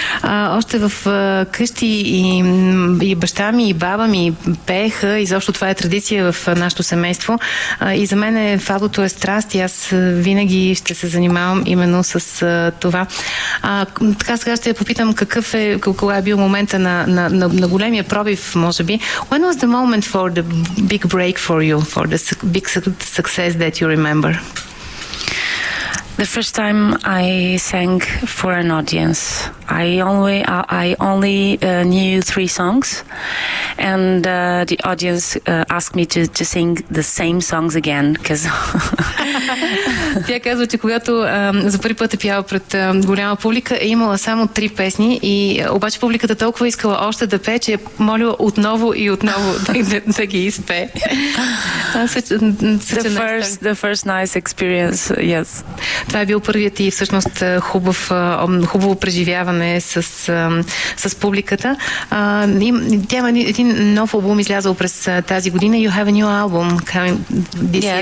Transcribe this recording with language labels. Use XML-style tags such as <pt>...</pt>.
<bg>Още в къщи и баща ми и баба ми пееха, и защото това е традиция в нашето семейство. И за мен фадото е страст, и аз винаги ще се занимавам именно с това. Така сега ще я попитам какъв е, кога е бил момента на големия пробив, може би.</bg> <en>When was the moment for the big break for you, for the big success that you remember? The first time I sang for an audience, I only knew 3 songs, and the audience asked me to sing the same songs again, because</en> <bg>тя казва, че когато за първи път е пяла пред голяма публика, е имала само 3 песни, и обаче публиката толкова искала още да пее, че е молила отново и отново да ги изпее.</bg> <en>The first nice experience, yes.</en> <bg>Това е бил първият и всъщност хубаво преживяване с публиката. Тя има един нов албум, излязъл през тази година.</bg> <en>You have a new album coming this year.</en>